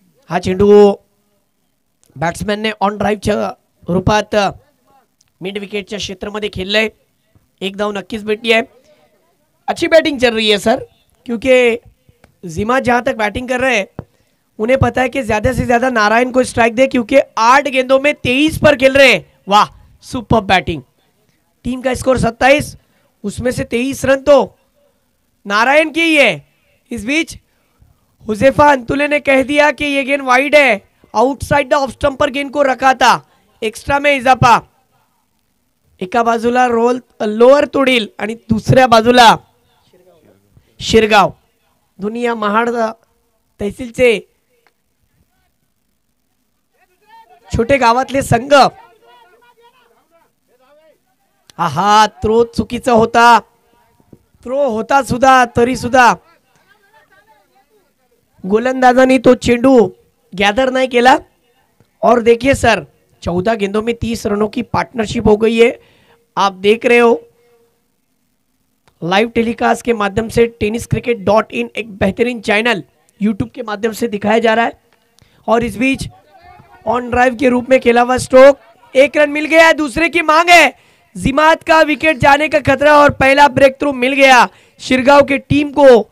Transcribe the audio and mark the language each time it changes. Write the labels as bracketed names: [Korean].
[Marathi] हा चेंडू बॅट्समॅन ने ऑन ड्राईव्हच्या रूपात मिड विकेटच्या क्षेत्रामध्ये खेळलंय, एक धाव नक्कीच भेटली आहे। [Hindi] अच्छी बॅटिंग चल रही है सर, क्योंकि जिमा जहां तक बॅटिंग कर रहे हैं उन्हें पता है कि ज्यादा से ज्यादा नारायण को स्ट्राइक दे, क्योंकि 8 गेंदों में 23 पर खेल रहे हैं। वाह सुपर बैटिंग, टीम का स्कोर 27, उसमें से 23 रन तो नारायण की ही है। इस बीच हुजैफा अंतुले ने कह दिया कि ये गेंद वाइड है, आउटसाइड द ऑफ स्टंप पर गेंद को रखा था, एक्स्ट्रा में इजाफा, [Marathi] एका बाजूला रोल लोअर तुडील आणि दुसऱ्या बाजूला शिरगाव, दुनिया महाड तहसीलचे छोटे गावातले संघ। आहा थ्रो चुकीचा होता, थ्रो होता सुद्धा तरी सुद्धा गोलंदाजांनी तो चेंडू गैदर नहीं केला। [Hindi] और देखिए सर 14 गेंदों में 30 रनों की पार्टनरशिप हो गई है, आप देख रहे हो लाइव टेलीकास्ट के माध्यम से, tenniscricket.in एक बेहतरीन चैनल यूट्यूब के माध्यम से दिखाया जा रहा है। और इस बीच ऑन ड्राइव के रूप में खेला हुआ स्ट्रोक, 1 रन मिल गया है, दूसरे की मांग है, जिमात का विकेट जाने का खतरा और पहला ब्रेक थ्रू मिल गया शिरगांव के टीम को।